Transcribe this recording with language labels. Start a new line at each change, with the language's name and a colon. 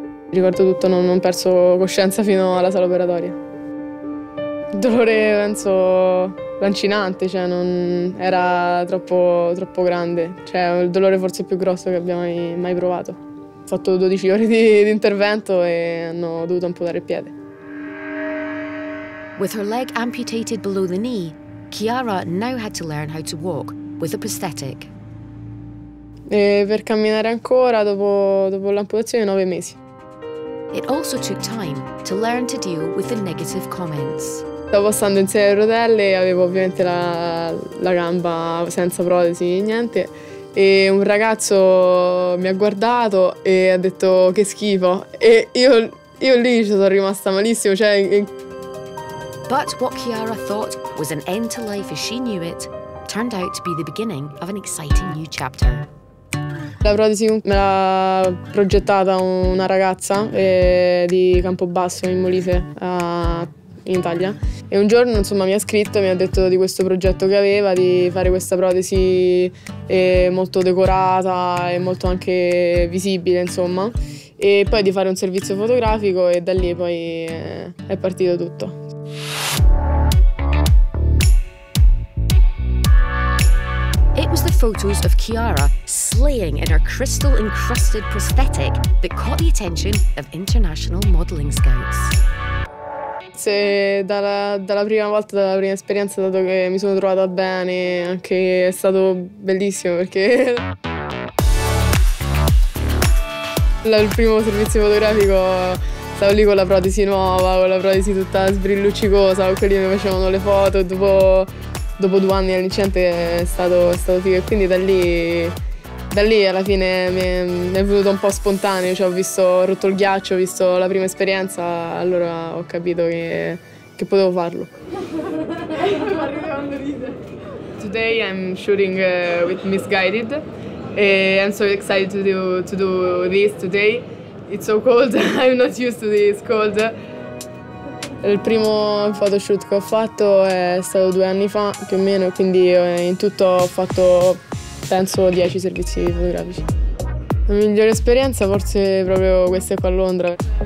Italian: Ricordo tutto, non ho perso coscienza fino alla sala operatoria. Il dolore, penso, lancinante, cioè non era troppo grande. Cioè, il dolore forse più grosso che abbia mai provato. Ho fatto 12 ore di intervento e hanno dovuto amputare il piede.
English: With her leg amputated below the knee, Kiara now had to learn how to walk with a prosthetic.
Italian: E per camminare ancora dopo l'amputazione 9 mesi.
English: It also took time to learn to deal with the negative comments.
Italian: Stavo passando in sedia a rotelle, avevo ovviamente la gamba senza protesi e niente. E un ragazzo mi ha guardato e ha detto che schifo e io lì ci sono rimasta malissimo, cioè.
English: But what Kiara thought was an end to life as she knew it turned out to be the beginning of an exciting new chapter.
Italian: La protesi me l'ha progettata una ragazza di Campobasso in Molise, in Italia. E un giorno, insomma, mi ha scritto e mi ha detto di questo progetto che aveva, di fare questa protesi molto decorata e molto anche visibile, insomma. E poi di fare un servizio fotografico e da lì poi è partito tutto.
English: It was the photos of Kiara slaying in her crystal-encrusted prosthetic that caught the attention of international modeling scouts.
Italian: Se dalla prima volta, dalla prima esperienza, dato che mi sono trovata bene, anche è stato bellissimo perché il primo servizio fotografico stavo lì con la protesi nuova, con la protesi tutta sbrilluccicosa, quelli mi facevano le foto, dopo 2 anni all'incidente è stato figo. E quindi da lì alla fine mi è venuto un po' spontaneo, cioè ho visto, ho rotto il ghiaccio, ho visto la prima esperienza, allora ho capito che potevo farlo.
English: Today I'm shooting with Misguided and I'm so excited to do this today. It's so cold, I'm not used to this cold.
Italian: Il primo photoshoot che ho fatto è stato 2 anni fa, più o meno, quindi in tutto ho fatto, penso, 10 servizi fotografici. La migliore esperienza forse proprio questa qua a Londra.